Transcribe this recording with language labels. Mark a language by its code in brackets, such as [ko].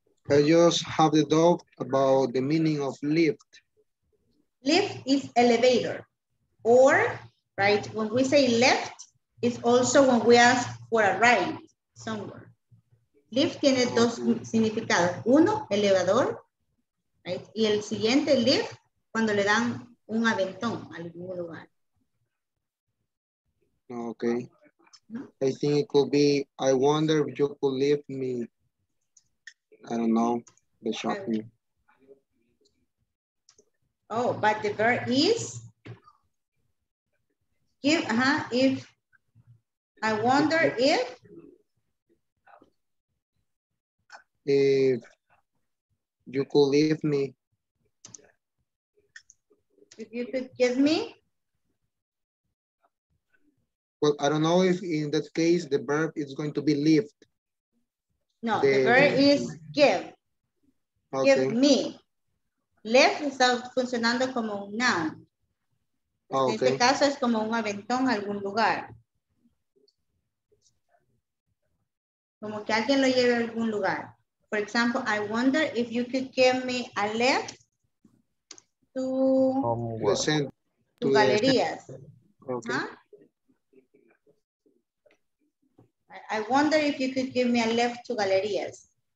[en] I just have a doubt about the meaning of lift. Lift is elevator. Or, right, when we say lift, it's also when we ask for a ride somewhere. [es] Lift tiene dos significados. Uno, elevador. [en] Right? [es] Y el siguiente, lift, cuando le dan un aventón a algún lugar. [en] Okay, I think it could be, I wonder if you could leave me, I don't know, the shopping. Oh, but the verb is, give, if, I wonder if. If you could leave me. If you could give me. Well, I don't know if in that case the verb is going to be lift. No, the verb is give. Okay. Give me. [es] Lift está funcionando como un noun. Okay. En este caso es como un aventón a algún lugar. Como que alguien lo lleve a algún lugar. [en] For example, I wonder if you could give me a lift to, to galerías. Okay. Huh? I wonder if you could give me a lift to galerías.